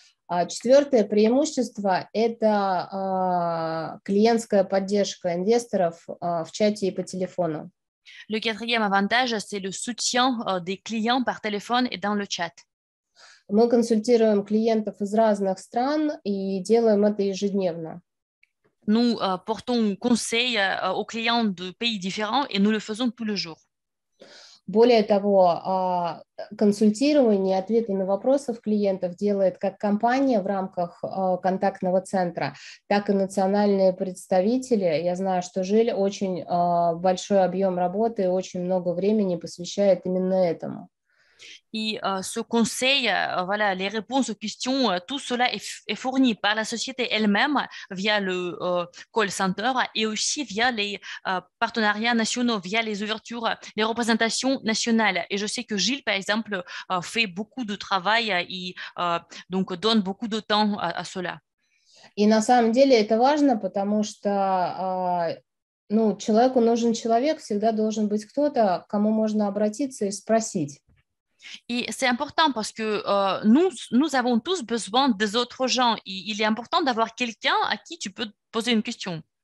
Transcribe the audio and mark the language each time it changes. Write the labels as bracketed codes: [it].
[ru] Четвертое преимущество – это клиентская поддержка инвесторов в чате и по телефону. [fr] Le quatrième avantage, c'est le soutien des clients par téléphone et dans le chat. [ru] Мы консультируем клиентов из разных стран и делаем это ежедневно. [fr] Nous portons conseil aux clients de pays différents et nous le faisons tous les jours. [ru] Более того, консультирование, ответы на вопросы клиентов делает как компания в рамках контактного центра, так и национальные представители. Я знаю, что Жиль очень большой объем работы и очень много времени посвящает именно этому. [fr] Et ce conseil, voilà, les réponses aux questions, tout cela est fourni par la société elle-même via le call center et aussi via les partenariats nationaux, via les ouvertures, les représentations nationales. Et je sais que Gilles, par exemple, fait beaucoup de travail et donc donne beaucoup de temps à cela. [ru] Et на самом деле это важно, потому что ну, человеку нужен человек, всегда должен быть кто-то, к кому можно обратиться и спросить. [fr] Et c'est important parce que nous avons tous besoin des autres gens. Et il est important d'avoir quelqu'un à qui tu peux poser une question.